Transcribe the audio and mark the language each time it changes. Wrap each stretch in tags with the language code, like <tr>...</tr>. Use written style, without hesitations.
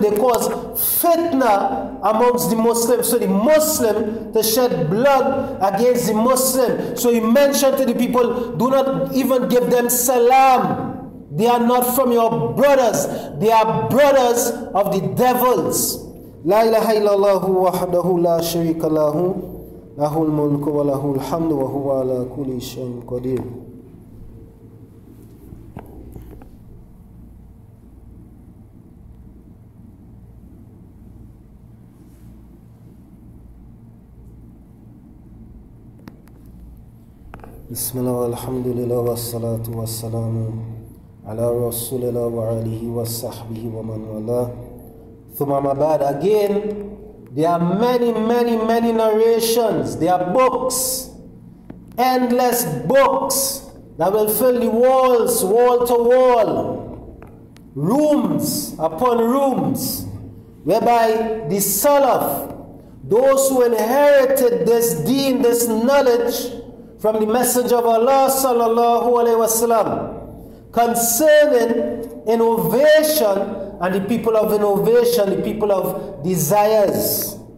<en>They cause fitna amongst the Muslim. So the Muslim to shed blood against the Muslim. So he mentioned to the people, do not even give them salam. They are not from your brothers. They are brothers of the devils.</en> <ar>لا إله إلا الله وحده لا شريك له له الملك وله الحمد وهو على كل شيء قدير. بسم الله والحمد لله والصلاة والسلام على رسول الله وعليه وصحبه ومن والاه. Thumma Mabad.</ar> <en>Again, there are many, many, many narrations. There are books, endless books that will fill the walls, wall to wall, rooms upon rooms, whereby the Salaf, those who inherited this deen, this knowledge from the Messenger of Allah sallallahu alaihi wasallam, concerning innovation and the people of innovation, the people of desires.</en>